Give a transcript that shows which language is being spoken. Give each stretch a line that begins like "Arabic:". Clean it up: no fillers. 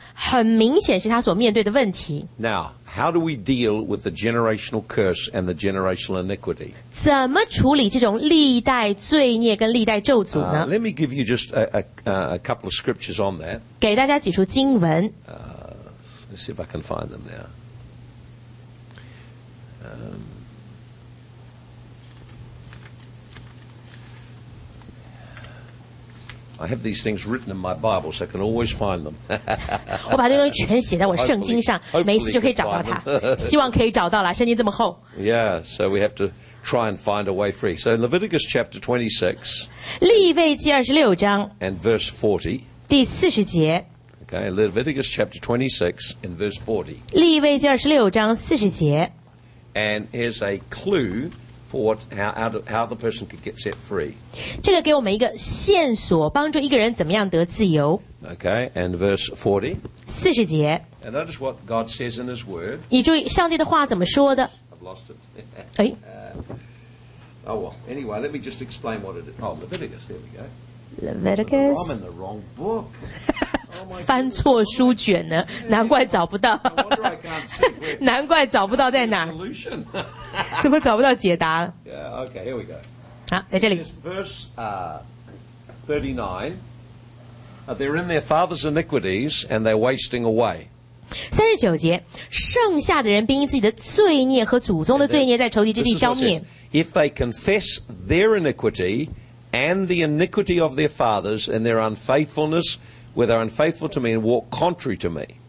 Chinese: 我会拿一张纸坐下来写下很明显是他所面对的问题。
English: Now, how do we deal with the generational curse and the generational iniquity?
Chinese: 怎么处理这种历代罪孽跟历代咒诅呢?
English: Let me give you just a couple of scriptures on that.
Chinese: 给大家几处经文。
English: Let's see if I can find them now. I have these things written in my Bible, so I can always find them.
Chinese: 我把这东西全写在我圣经上，每一次就可以找到它。希望可以找到了，圣经这么厚。
English: Yeah, so we have to try and find a way free. So Leviticus chapter 26,
Chinese: 利未记26章,
English: and verse 40,
Chinese: 第40节。
English: Okay, Leviticus chapter 26, and verse 40,
Chinese: 利未记26章40节。
English: And here's a clue for how the person could get set free.
Chinese: 这个给我们一个线索, 帮助一个人怎么样得自由。
English: Okay, and verse 40.
Chinese: 四十节。
English: And notice what God says in his word.
Chinese: 你注意上帝的话怎么说的?
English: I've lost it. 哎? Anyway, let me just explain what it is. Oh, Leviticus, there we go. Leviticus. I'm in the wrong book.
Chinese: 翻错书卷了，难怪找不到。难怪找不到在哪。怎么找不到解答了？
English: Yeah, okay, here we go.
Chinese: 好，在这里。
English: Verse 39. They're in their father's iniquities and they're wasting away.
Chinese: 39节，剩下的人凭自己的罪孽和祖宗的罪孽在仇敌之地消灭。
English: If they confess their iniquity and the iniquity of their fathers and their unfaithfulness, where they're unfaithful to me and walk contrary to me.